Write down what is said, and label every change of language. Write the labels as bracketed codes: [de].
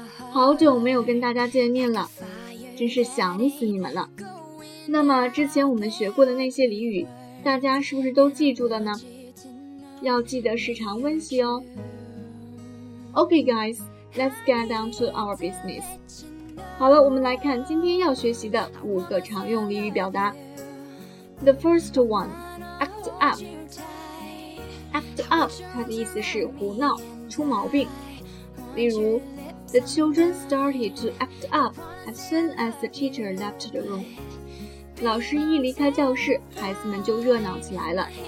[zh] 好久没有跟大家见面了，真是想死你们了。那么之前我们学过的那些俚语，大家是不是都记住了呢？要记得时常温习哦。 [en] OK guys, let's get down to our business。 [zh] 好了，我们来看今天要学习的五个常用俚语表达。 The first one,Act up, 它的意思是胡闹，出毛病。 [en] 例如 The children started to act up as soon as the teacher left the room. [zh] 老师一离开教室，孩子们就热闹起来了。